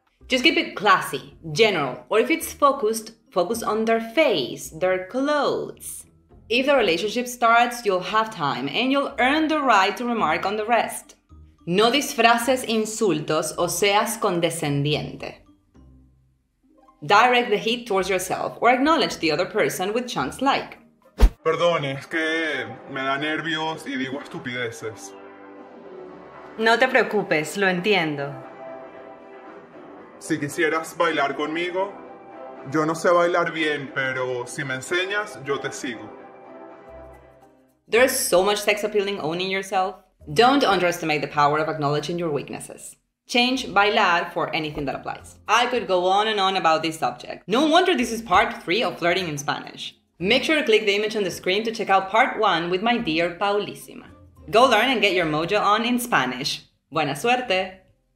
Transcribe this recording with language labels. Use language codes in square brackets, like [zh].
[en] Just keep it classy, general, or if it's focused, focus on their face, their clothes. If the relationship starts, you'll have time and you'll earn the right to remark on the rest. [es] No disfraces insultos o seas condescendiente. [en] Direct the heat towards yourself or acknowledge the other person with chunks like. [es] Perdón, es que me da nervios y digo estupideces. No te preocupes, lo entiendo. Si quisieras bailar conmigo, yo no sé bailar bien, pero si me enseñas, yo te sigo. [en] There's so much sex appealing owning yourself. Don't underestimate the power of acknowledging your weaknesses. Change bailar for anything that applies. I could go on and on about this subject. No wonder this is part 3 of flirting in Spanish. Make sure to click the image on the screen to check out part one with my dear Paulissima. Go learn and get your mojo on in Spanish. [es] Buena suerte!